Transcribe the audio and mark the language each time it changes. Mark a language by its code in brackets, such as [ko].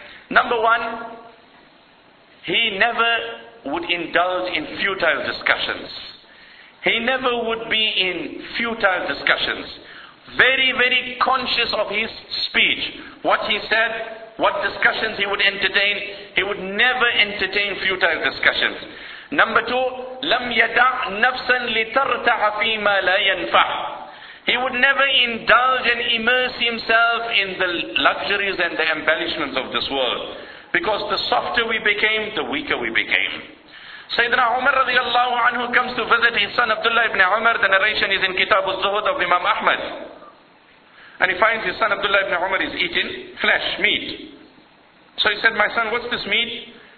[en] Number one, he never would indulge in futile discussions. He never would be in futile discussions. Very, very conscious of his speech. What he said, what discussions he would entertain, he would never entertain futile discussions. Number two, [ar] لم يدع نفسا لترتع فيما لا ينفع. [en] He would never indulge and immerse himself in the luxuries and the embellishments of this world. Because the softer we became, the weaker we became. Sayyidina Umar radiallahu anhu comes to visit his son Abdullah ibn Umar. The narration is in Kitab al-Zuhud of Imam Ahmad. And he finds his son Abdullah ibn Umar is eating flesh, meat. So he said, my son, what's this meat?